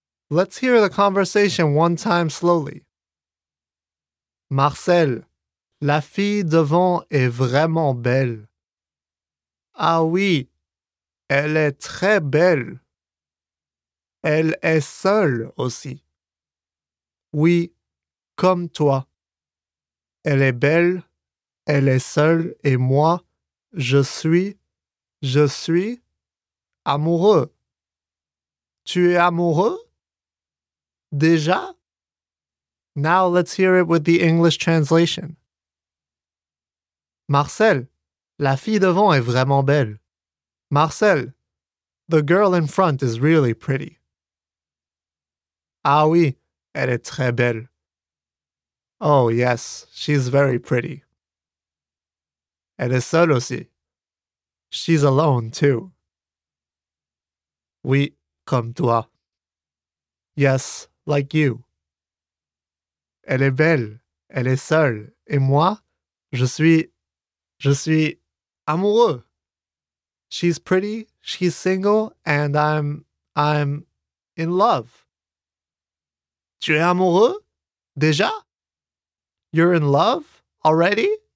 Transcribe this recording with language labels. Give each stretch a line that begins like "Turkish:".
English: Let's hear the conversation one time slowly.
French: Marcel, la fille devant est vraiment belle. Ah oui, elle est très belle. Elle est seule aussi. Oui, comme toi. Elle est belle, elle est seule et moi, Je suis amoureux. Tu es amoureux? Déjà?
English: Now let's hear it with the English translation.
French: Marcel, la fille devant est vraiment belle.
English: Marcel, the girl in front is really pretty.
French: Ah oui, elle est très belle.
English: Oh yes, she's very pretty.
French: Elle est seule aussi.
English: She's alone, too.
French: Oui, comme toi.
English: Yes, like you.
French: Elle est belle, elle est seule, et moi, je suis amoureux.
English: She's pretty, she's single, and I'm in love.
French: Tu es amoureux? Déjà?
English: You're in love? Already?